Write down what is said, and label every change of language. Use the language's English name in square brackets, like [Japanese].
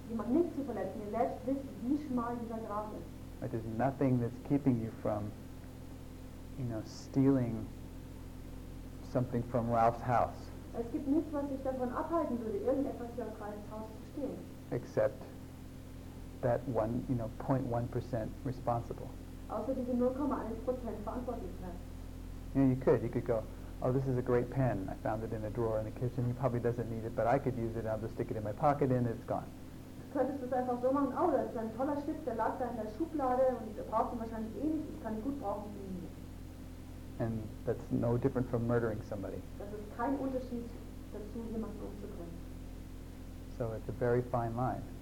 [German] Jemanden nicht zu verletzen, ihr selbst wisst, wie schmal dieser Grat ist. [English] But there's nothing that's keeping you from, you know, stealing something from Ralph's house. [German] Es gibt nichts, was dich davon abhalten würde, irgendetwas hier auf Ralfs Haus zu stehlen. [English] Except that one, you know, 0.1% responsible. [German] Außer diese 0.1% Verantwortlichkeit. [English] Yeah, you could go, oh, this is a great pen. I found it in a drawer in the kitchen. He probably doesn't need it, but I could use it. I'll just stick it in my pocket and it's gone. [German] Du könntest es einfach so machen, oh, das ist ein toller Stift, der lag da in der Schublade und ich brauche ihn wahrscheinlich eh nicht, ich kann ihn gut brauchen. [English] And that's no different from murdering somebody. [German] Das ist kein Unterschied dazu, jemanden umzubringen. [English] So it's a very fine line.